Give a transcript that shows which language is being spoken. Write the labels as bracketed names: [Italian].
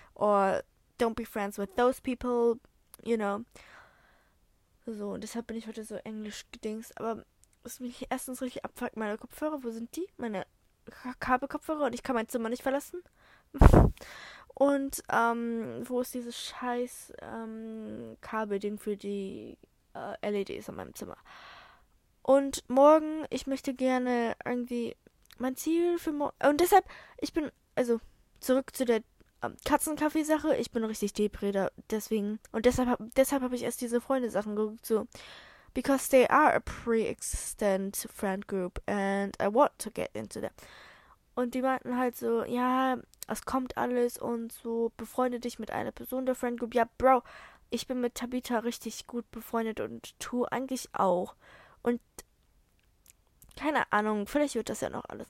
[English] Or don't be friends with those people, you know. [German] So, und deshalb bin ich heute so englisch gedingst. Aber was mich erstens richtig abfuckt, meine Kopfhörer, wo sind die? Meine Kabelkopfhörer und ich kann mein Zimmer nicht verlassen. Und wo ist dieses scheiß Kabelding für die LEDs in meinem Zimmer? Und morgen, ich möchte gerne irgendwie mein Ziel für morgen. Und deshalb, ich bin, also zurück zu der Katzenkaffee-Sache, ich bin richtig depreda, deswegen. Und deshalb habe ich erst diese Freunde-Sachen geguckt, so. [English] Because they are a pre-existent friend group and I want to get into them. [German] Und die meinten halt so, ja, es kommt alles und so, befreunde dich mit einer Person der Friend Group. Ja, Bro, ich bin mit Tabitha richtig gut befreundet und tu eigentlich auch. Und keine Ahnung, vielleicht wird das ja noch alles.